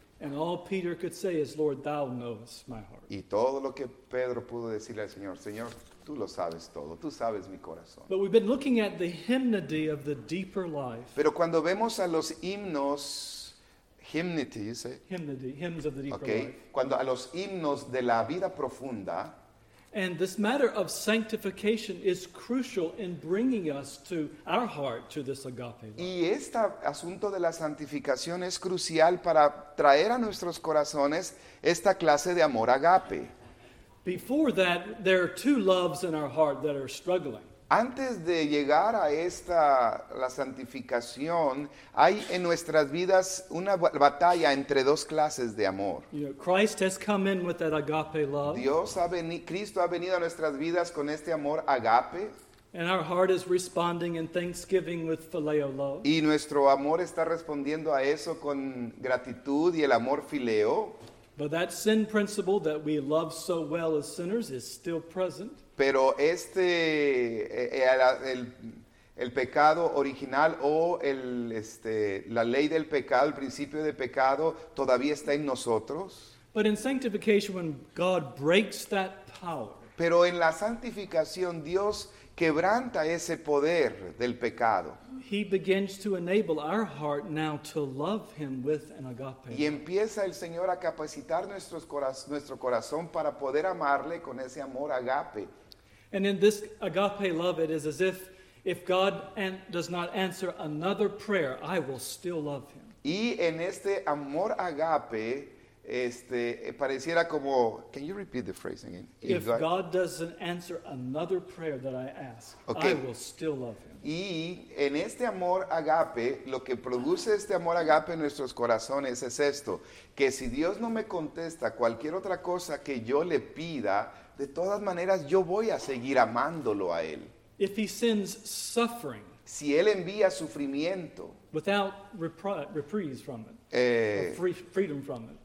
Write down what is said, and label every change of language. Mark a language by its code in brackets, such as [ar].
[en] And all Peter could say is, "Lord, thou knowest my heart." [es] Y todo lo que Pedro pudo decirle al Señor, "Señor, tú lo sabes todo, tú sabes mi corazón." [en] But we've been looking at the hymnody of the deeper life. [es] Pero cuando vemos a los himnos, hymnody, [en] hymnody, hymns of the deeper life. [es] Cuando a los himnos de la vida profunda. [en] And this matter of sanctification is crucial in bringing us to our heart to this agape life. [es] Y este asunto de la santificación es crucial para traer a nuestros corazones esta clase de amor agape. [en] Before that, there are two loves in our heart that are struggling. [es] Antes de llegar a esta, la santificación, hay en nuestras vidas una batalla entre dos clases de amor. [en] You know, Christ has come in with that agape love. [es] Cristo ha venido a nuestras vidas con este amor agape. [en] And our heart is responding in thanksgiving with phileo love. [es] Y nuestro amor está respondiendo a eso con gratitud y el amor phileo. [en] But that sin principle that we love so well as sinners is still present. [es] Pero este, el pecado original o el, la ley del pecado, el principio de pecado, todavía está en nosotros. [en] But in sanctification, when God breaks that power. [es] Pero en la santificación, Dios quebranta ese poder del pecado. [en] He begins to enable our heart now to love him with an agape. [es] Y empieza el Señor a capacitar nuestro corazón para poder amarle con ese amor agape. [en] And in this agape love, it is as if God does not answer another prayer, I will still love him. [es] Y en este amor agape, pareciera como, [en] can you repeat the phrase again? If God doesn't answer another prayer that I ask, okay. I will still love him. [es] Y en este amor agape, lo que produce este amor agape en nuestros corazones es esto, que si Dios no me contesta cualquier otra cosa que yo le pida, de todas maneras yo voy a seguir amándolo a él. [en] If he sends suffering, [es] si él envía sufrimiento, [en] without reprise from it, freedom from it,